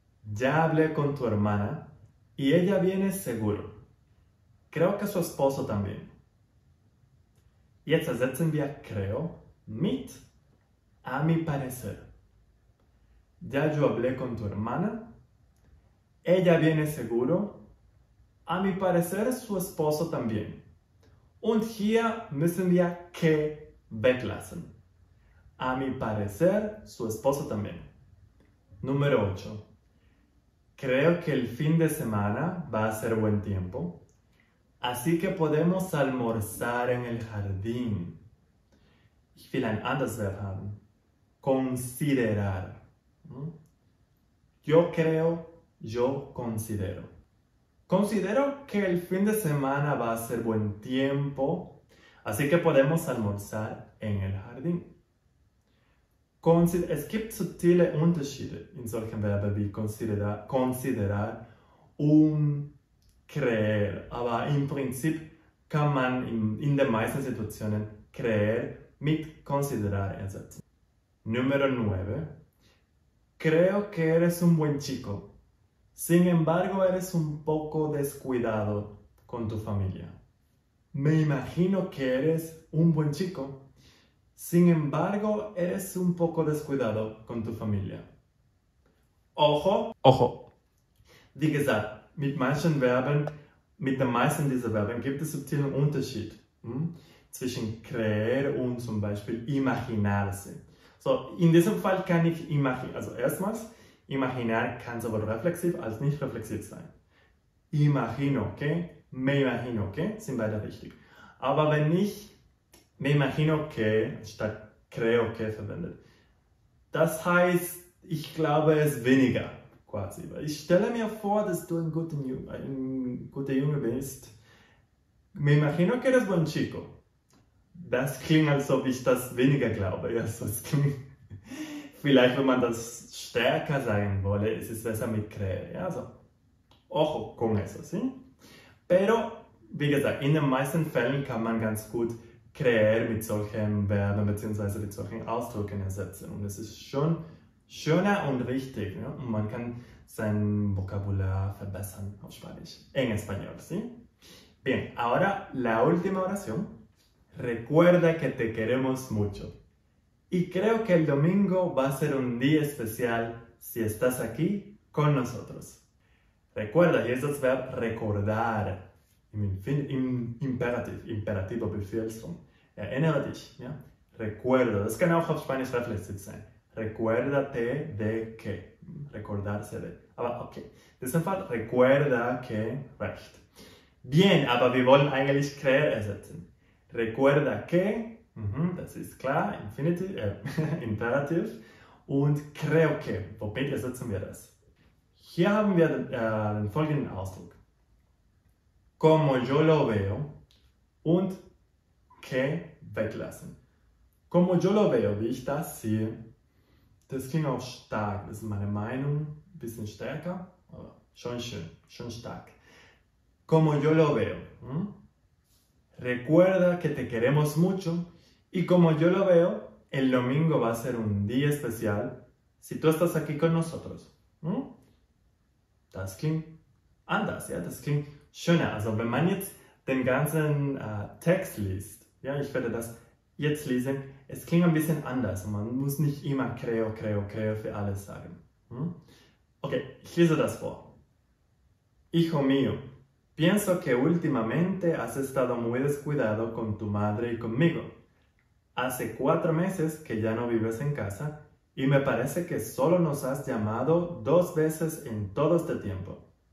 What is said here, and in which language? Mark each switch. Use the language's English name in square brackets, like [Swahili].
[Spanish] Ya hablé con tu hermana y ella viene seguro. Creo que su esposo también. [German] Jetzt ersetzen wir creo mit [Spanish] a mi parecer. Ya yo hablé con tu hermana. Ella viene seguro. A mi parecer, su esposo también. [German] Und hier müssen wir que weglassen. [Spanish] A mi parecer, su esposo también. Número 8. Creo que el fin de semana va a ser buen tiempo. Así que podemos almorzar en el jardín. [German] Ich will ein anderes Verb haben. [Spanish] Considerar. Yo creo, yo considero. Considero que el fin de semana va a ser buen tiempo, así que podemos almorzar en el jardín. [German] Es gibt subtile Unterschiede in solchen Verben wie considerar und creer. Aber im Prinzip kann man in den meisten Situationen creer mit considerar ersetzen. [Spanish] Número 9. Creo que eres un buen chico. Sin embargo, eres un poco descuidado con tu familia. Me imagino que eres un buen chico. Sin embargo, eres un poco descuidado con tu familia. Ojo, ojo. [German] Wie gesagt, mit manchen Verben, mit den meisten dieser Verben gibt es subtilen Unterschied zwischen creer und zum Beispiel imaginarse. So, in diesem Fall kann ich imaginar, also erstmals, imaginar kann sowohl reflexiv als nicht reflexiv sein. [Spanish] Imagino, okay? Me imagino, okay? [German] Sind beide richtig. Aber wenn ich me imagino que statt creo que verwendet, das heißt, ich glaube es weniger, quasi. Ich stelle mir vor, dass du ein guter Junge bist. [Spanish] Me imagino que eres buen chico. [German] Das klingt, als ob ich das weniger glaube. Ja, so es klingt. Vielleicht, wenn man das stärker sagen wolle, ist es besser mit creer. Ja, also, [Spanish] ojo con eso, sí? Pero, [German] wie gesagt, in den meisten Fällen kann man ganz gut creer mit solchen Verben bzw. mit solchen Ausdrücken ersetzen. Und es ist schon schöner und richtig. Ja? Und man kann sein Vokabular verbessern auf Spanisch. [Spanish] En español, sí? Bien, ahora la última oración. Recuerda que te queremos mucho. Y creo que el domingo va a ser un día especial si estás aquí con nosotros. [German] Recuerda, hier ist das Verb recordar. Imperativo Befehlsform. Erinnere dich. Ja? Recuerda. Das kann auch auf Spanisch reflexiv sein. [Spanish] Recuérdate de que. Recordarse de. [German] Aber okay. In diesem Fall, [Spanish] recuerda que. [German] Recht. Bien, aber wir wollen eigentlich creer ersetzen. Recuerda que, das ist klar, Imperativ. Und creo que, womit ersetzen wir das? Hier haben wir den folgenden Ausdruck. [Spanish] Como yo lo veo [German] und que weglassen. [Spanish] Como yo lo veo, [German] wie ich das sehe, das klingt auch stark, das ist meine Meinung, ein bisschen stärker, aber schon schön, schon stark. [Spanish] Como yo lo veo. Recuerda que te queremos mucho y como yo lo veo, el domingo va a ser un día especial si tú estás aquí con nosotros. [German] Das klingt anders, ja, das klingt schöner. Also wenn man jetzt den ganzen Text liest, ja, ich werde das jetzt lesen, es klingt ein bisschen anders und man muss nicht immer creo, creo, creo für alles sagen. Okay, ich lese das vor. [Spanish] Hijo mío, pienso que últimamente has estado muy descuidado con tu madre y conmigo. Hace 4 meses que ya no vives en casa y me parece que solo nos has llamado 2 veces en todo este tiempo.